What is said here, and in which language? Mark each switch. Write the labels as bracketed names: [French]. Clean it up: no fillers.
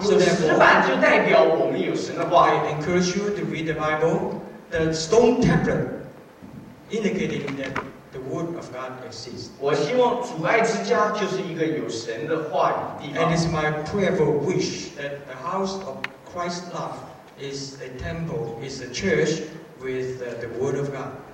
[English] So therefore, I encourage you to read the Bible. The stone tablet indicating that the word of God exists. [Chinese] 我希望主爱之家就是一个有神的话语的地方. [English] And it's my prayerful wish that the house of Christ's love is a temple, is a church with the word of God.